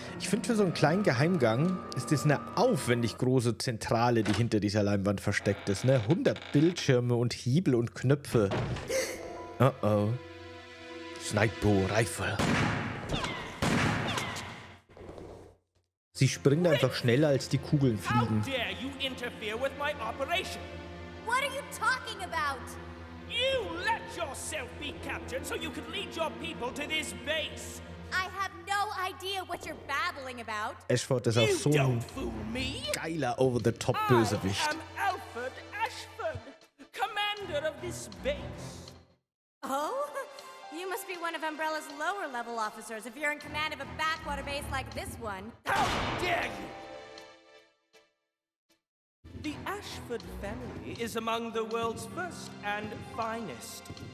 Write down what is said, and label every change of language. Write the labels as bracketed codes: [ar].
[de] Ich finde, für so einen kleinen Geheimgang ist das eine aufwendig große Zentrale, die hinter dieser Leinwand versteckt ist. Ne? 100 Bildschirme und Hebel und Knöpfe. Oh-oh. [en] Sniper Rifle. [de] Sie springen einfach schneller, als die Kugeln fliegen. [en] How dare you interfere with my operation? What are you talking about? You let yourself be captured so you could lead your people to this base. I have no idea what you're babbling about. [de] Ashford ist auch so ein geiler Over-the-Top-Bösewicht. [en] I am Alfred Ashford, commander of this base. Oh? You must be one of Umbrella's lower-level officers if you're in command of a backwater base like this one. How dare you! The Ashford family is among the world's first and finest.